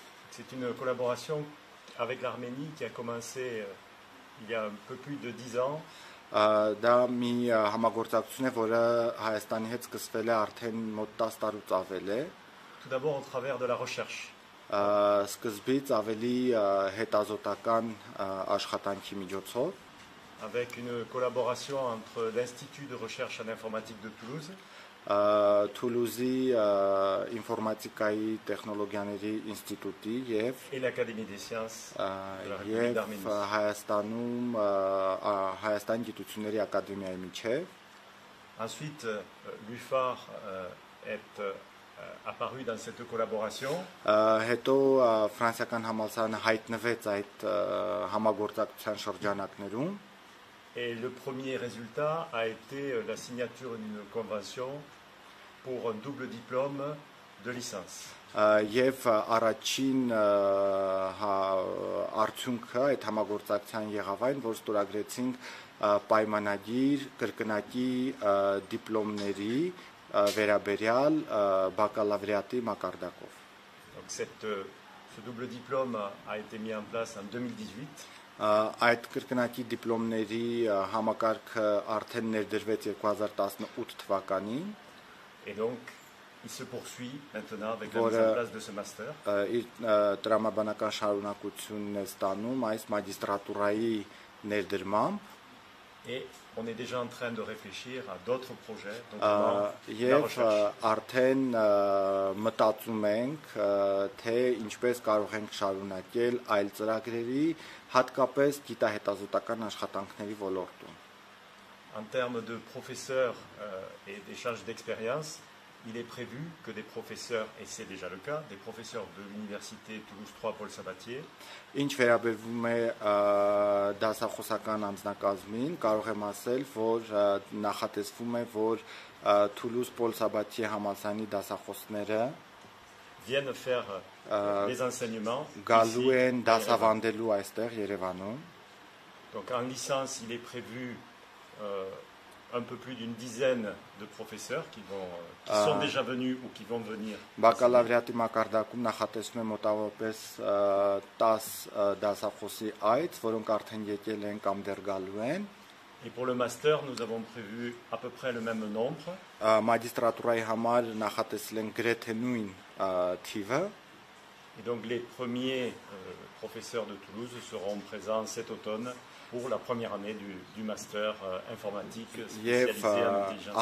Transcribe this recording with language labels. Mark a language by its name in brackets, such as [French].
[French] C'est une collaboration avec l'Arménie qui a commencé il y a un peu plus de 10 ans. [Armenian] Դա մի համագործակցություն է, որը Հայաստանի հետ սկսվել է արդեն մոտ 10 տարուց ավել է։ [French] Tout d'abord au travers de la recherche. [Armenian] Սկզբից ավելի հետազոտական աշխատանքի միջոցով։ [French] Avec une collaboration entre l'Institut de recherche en informatique de Toulouse. [Armenian] Toulouse-ի ինֆորմատիկայի տեխնոլոգիաների ինստիտուտի եւ [French] Académie des sciences [Armenian] Հայաստանում Հայաստան գիտությունների ակադեմիայի միջեւ. [French] Ensuite, l'UFAR est apparu dans cette collaboration. [Armenian] Հետո ֆրանսիական համալսարանը հայտնվեց այդ համագործակցության շրջանակներում. [French] Et le premier résultat a été la signature d'une convention pour un double diplôme de licence. [Armenian] Եվ առաջին արդյունքը այդ համագործակցության եղավ այն, որ ստորագրեցին պայմանագիր կրկնակի դիպլոմների վերաբերյալ բակալավրիատի մակարդակով. [French] Donc ce double diplôme a été mis en place en 2018. [Armenian] Այդ կրկնակի դիպլոմների համակարգը արդեն ներդրվեց 2018 թվականին. [French] Et donc, il se poursuit maintenant avec la mise en place de ce master. [Armenian] Իր տրամաբանական շարունակությունն է ստանում այս մագիստրատուրայի ներդրմամբ. [French] Et on est déjà en train de réfléchir à d'autres projets. [Armenian] Եվ արդեն մտածում ենք, թե ինչպես կարող ենք շարունակել այլ ծրագրերի, հատկապես գիտահետազոտական աշխատանքների ոլորտում. [French] En termes de professeurs et d'échange d'expérience, il est prévu que des professeurs, et c'est déjà le cas, des professeurs de l'université Toulouse 3 Paul Sabatier, [Armenian] ինչ վերաբերվում է դասախոսական անձնակազմին, կարող եմ ասել, որ նախատեսվում է, որ Toulouse Paul Sabatier համալսարանի դասախոսները [French] viennent faire les enseignements [Armenian] գալու են դասավանդելու այստեղ Երևանում. [French] Donc en licence, il est prévu un peu plus d'une dizaine de professeurs qui sont déjà venus ou qui vont venir. [Armenian] Բակալավրիատի մակարդակում նախատեսվում է մոտավորապես 10 դասախոսի այդ, որոնք արդեն եկել են կամ դեռ գալու են. [French] Et pour le master, nous avons prévu à peu près le même nombre. [Armenian] Մագիստրատուրայի համար նախատեսել են գրեթե նույն թիվը. [French] Et donc les premiers professeurs de Toulouse seront présents cet automne pour la première année du master informatique spécialisé en intelligence.